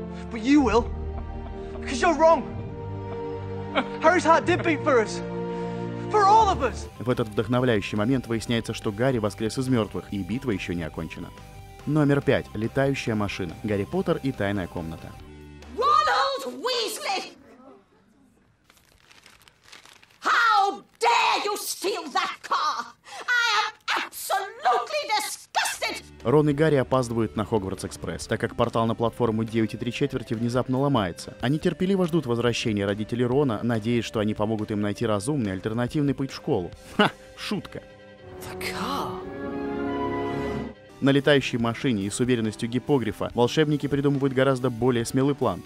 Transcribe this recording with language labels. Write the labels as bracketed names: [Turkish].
[English] But you will, because you're wrong. Harry's heart did beat for us. [Russian] В этот вдохновляющий момент выясняется, что Гарри воскрес из мертвых, и битва еще не окончена. Номер 5. Летающая машина. Гарри Поттер и тайная комната. Роналд Уизли! [English] How dare you steal that car? I am absolutely disgusted! [Russian] Рон и Гарри опаздывают на Хогвартс-экспресс, так как портал на платформу 9 и 3 четверти внезапно ломается. Они терпеливо ждут возвращения родителей Рона, надеясь, что они помогут им найти разумный, альтернативный путь в школу. Ха, шутка. [English] The car. [Russian] На летающей машине и с уверенностью гиппогрифа волшебники придумывают гораздо более смелый план.